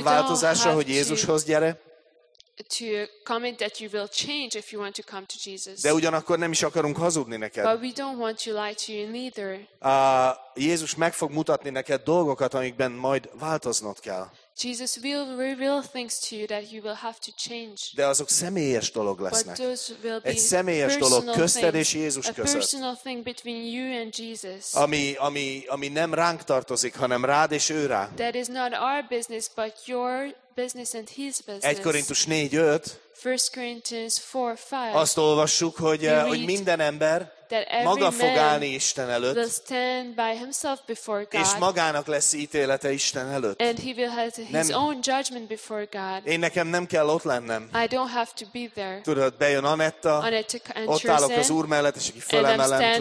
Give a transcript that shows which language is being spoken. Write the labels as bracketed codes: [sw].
[hu] a változásra, hogy Jézushoz gyere. [en] To commit that you will change if you want to come to Jesus. [hu] De ugyanakkor nem is akarunk hazudni neked. [en] But we don't want to lie to you neither. [hu] Jézus meg fog mutatni neked dolgokat, amikben majd változnod kell. [en] Jesus will reveal things to you that you will have to change. [hu] De azok személyes dolog lesznek. [en] But those will be [hu] egy személyes dolog közted és Jézus között. [en] A personal thing between you and Jesus. [hu] Ami nem ránk tartozik, hanem rád és ő rá. [en] That is not our business, but your business and his business. [hu] 1 Korintus 4:5. [en] 1 Corinthians 4:5. [hu] Azt olvassuk, hogy minden ember maga fog állni Isten előtt, [en] will stand by himself before God, [hu] és magának lesz ítélete Isten előtt. [en] And he will have his [hu] nem, [en] own judgment before God. [hu] Én nekem nem kell ott lennem. [en] I don't have to be there. [hu] Tudod, bejön Anetta, Anetta ott állok az Úr mellett, és aki fölemelem,